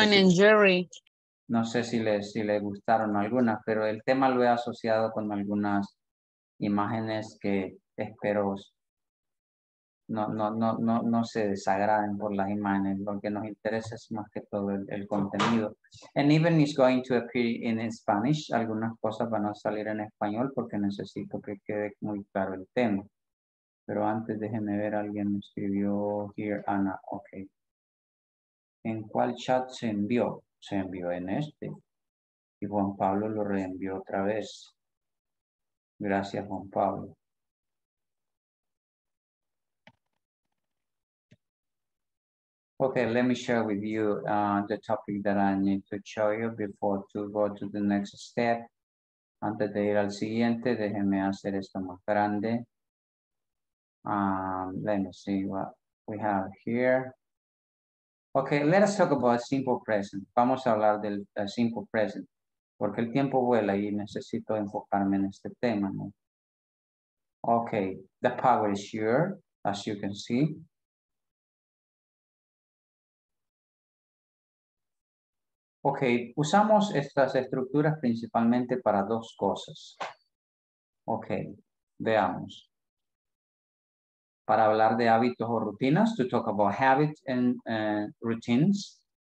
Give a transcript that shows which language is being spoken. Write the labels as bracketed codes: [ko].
[en] Tom and Jerry. [es] No sé si le gustaron algunas, pero el tema lo he asociado con algunas imágenes que espero no se desagraden por las imágenes. Lo que nos interesa es más que todo el contenido. [en] And even is going to appear in Spanish. [es] Algunas cosas van a salir en español porque necesito que quede muy claro el tema. Pero antes déjenme ver, alguien escribió here, Ana. Okay. ¿En cuál chat se envió? Se envió en este. Y Juan Pablo lo reenvió otra vez. Gracias, Juan Pablo. [en] Okay, let me share with you the topic that I need to show you before to go to the next step. [es] Antes de ir al siguiente, déjeme hacer esto más grande. [en] Let me see what we have here. [es] Okay, [en] let us talk about simple present. [es] Vamos a hablar del simple present. Porque el tiempo vuela y necesito enfocarme en este tema, ¿no? [en] Okay, the power is here, as you can see. [es] Okay, usamos estas estructuras principalmente para dos cosas. Okay, veamos. Para hablar de hábitos o rutinas, [en] to talk about habits and routines.